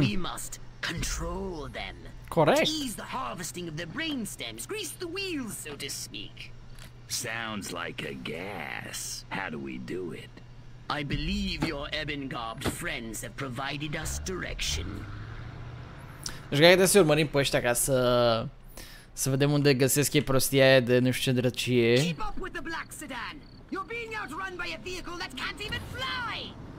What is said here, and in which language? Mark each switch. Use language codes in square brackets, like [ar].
[en] We must control them. Correct. Tease the harvesting of their brainstems, grease the wheels, so to speak. Sounds like a gas. How do we do it? I believe your ebon-garbed friends have provided us direction. [ro] Deci, gata, să urmărim pe ăștia ca să... să vedem unde găsesc ei prostia aia de nu știu ce drăcie. [en] Keep up with the black sedan. You're being outrun by a vehicle that can't even fly.